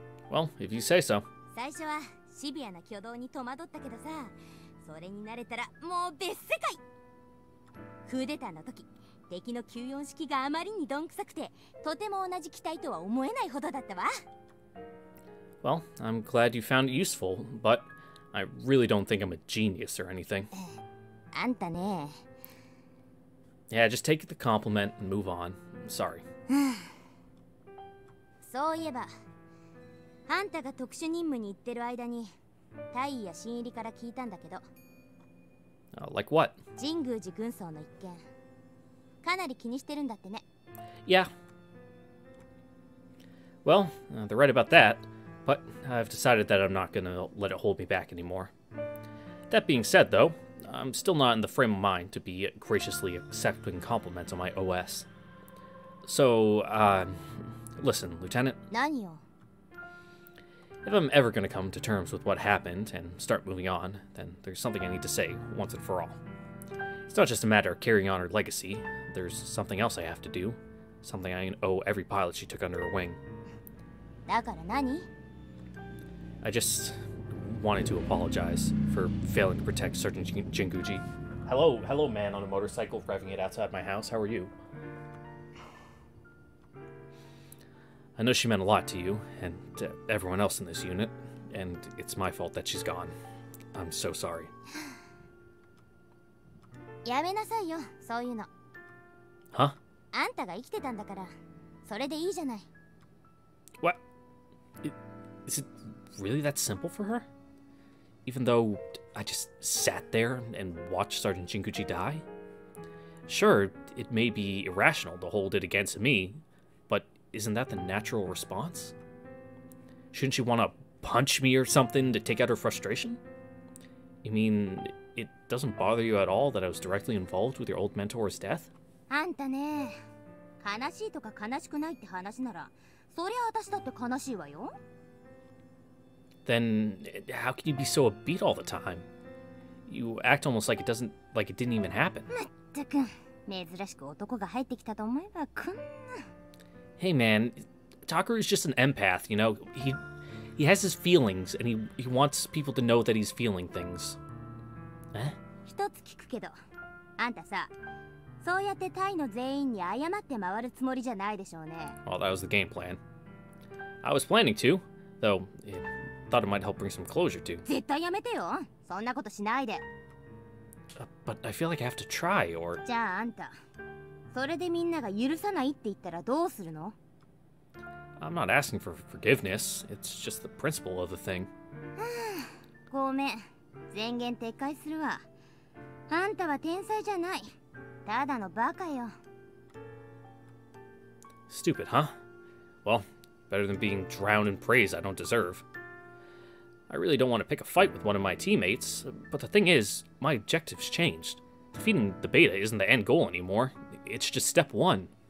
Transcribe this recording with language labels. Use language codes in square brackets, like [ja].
[en] Well, if you say so. [ja] 最初はシビアな挙動に戸惑ったけどさ、それに慣れたらもう別世界。クーデターの時、敵の休養式があまりにどんくさくて、とても同じ機体とは思えないほどだったわ。 [en] Well, I'm glad you found it useful, but I really don't think I'm a genius or anything. [ja] あんたね。 [en] Yeah, just take the compliment and move on. Sorry. [ja] そういえば、あんたが特殊任務に行ってる間に、大尉や新入りから聞いたんだけど。 [en] Like what? [ja] 神宮寺軍曹の一件、かなり気にしてるんだってね。 [en] Yeah. Well, they're right about that, but I've decided that I'm not gonna let it hold me back anymore. That being said, though,I'm still not in the frame of mind to be graciously accepting compliments on my OS. So, listen, Lieutenant. [ja] 何を? [en] If I'm ever going to come to terms with what happened and start moving on, then there's something I need to say once and for all. It's not just a matter of carrying on her legacy. There's something else I have to do. Something I owe every pilot she took under her wing. [ja] だから何? [en] I just... wanted to apologize for failing to protect Sergeant Jinguji. Hello, hello, man on a motorcycle revving it outside my house. How are you? I know she meant a lot to you and to everyone else in this unit, and it's my fault that she's gone. I'm so sorry. [ja] やめなさいよ、そういうの。 [en] Huh? [ja] あんたが生きてたんだから、それでいいじゃない。 [en] What? Is it really that simple for her? Even though I just sat there and watched Sergeant Jinguji die? Sure, it may be irrational to hold it against me, but isn't that the natural response? Shouldn't she want to punch me or something to take out her frustration? You mean, it doesn't bother you at all that I was directly involved with your old mentor's death? [ja] あんたね。悲しいとか悲しくないって話なら、そりゃ私だって悲しいわよ。 [en] Then how can you be so upbeat all the time? You act almost like it doesn't, like it didn't even happen. [ja] まったく、珍しく男が入ってきたと思えばこんな。 [en] Hey man, Takaru is just an empath, you know? He has his feelings, and he wants people to know that he's feeling things. [ja] え？ [en] 一つ聞くけど、あんたさ、そうやってタイの全員に謝って回るつもりじゃないでしょうね。 Well, that was the game plan. I was planning to, though I thought it might help bring some closure to. [ja] 絶対やめてよ。そんなことしないで。 [en] But I feel like I have to try, or... [ja] じゃああんた、それでみんなが許さないって言ったらどうするの？ [en] I'm not asking for forgiveness. It's just the principle of the thing. [ja] ごめん。前言撤回するわ。あんたは天才じゃない。ただのバカよ。 [en] Stupid, huh? Well, better than being drowned in praise I don't deserve. I really don't want to pick a fight with one of my teammates, but the thing is, my objective's changed. Defeating the beta isn't the end goal anymore. It's just step one.